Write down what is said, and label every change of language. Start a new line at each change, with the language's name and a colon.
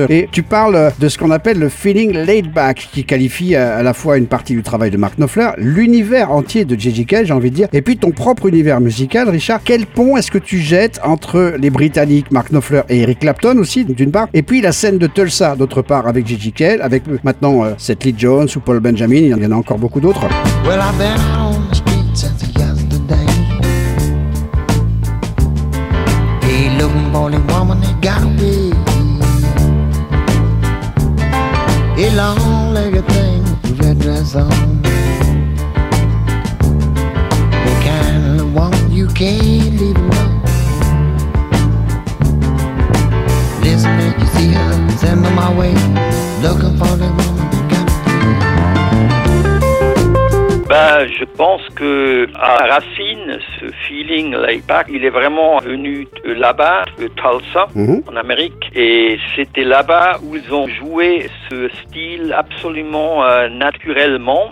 French: Et tu parles de ce qu'on appelle le feeling laid back, qui qualifie à la fois une partie du travail de Mark Knopfler, l'univers entier de J.J. Cale, j'ai envie de dire, et puis ton propre univers musical, Richard. Quel pont est-ce que tu jettes entre les Britanniques, Mark Knopfler et Eric Clapton aussi, d'une part, et puis la scène de Tulsa, d'autre part, avec J.J. Cale, avec maintenant Seth Lee Jones ou Paul Benjamin, il y en a encore beaucoup d'autres.
English: Well, I've been on the street since yesterday. Hey, looking for the woman that got away. Hey, long-legged thing, red dress on. The kind of woman you can't leave alone. Listen, if you see her, send her my way. Looking for the woman.
French: Ben, je pense que à la racine, ce feeling laid back, il est vraiment venu là-bas, de Tulsa, en Amérique. Et c'était là-bas où ils ont joué ce style absolument naturellement.